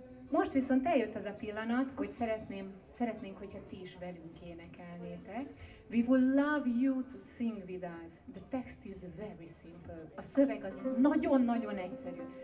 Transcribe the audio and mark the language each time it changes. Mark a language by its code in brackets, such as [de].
[hu] Most viszont eljött az a pillanat, hogy szeretnénk, hogyha ti is velünk énekelnétek. [en] We would love you to sing with us. The text is very simple. [hu] A szöveg az nagyon-nagyon egyszerű.